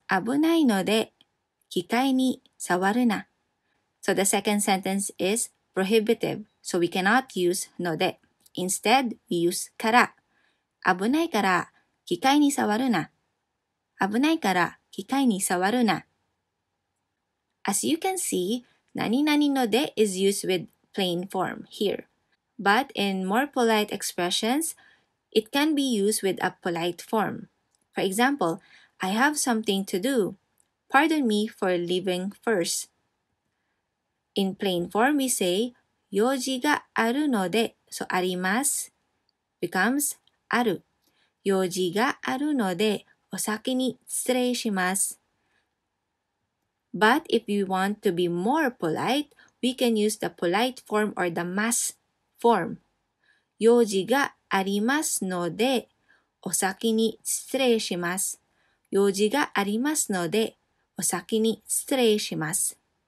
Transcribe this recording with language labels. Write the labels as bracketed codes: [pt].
[ja] 危ないので機械に触るな。 [en] So the second sentence is prohibitive. So we cannot use ので. Instead, we use から。 [ja] 危ないから機械に触るな。危ないから機械に触るな。 [en] As you can see, 何々ので is used with plain form here. But in more polite expressions, it can be used with a polite form. For example, I have something to do. Pardon me for leaving first. In plain form, we say, [ja] 用事があるので、 [en] so あります becomes ある。 [ja] 用事があるので、お先に失礼します。 [en] But if you want to be more polite, we can use the polite form or the mas form. [ja] 用事がありますので、お先に失礼します。用事がありますので、お先に失礼します。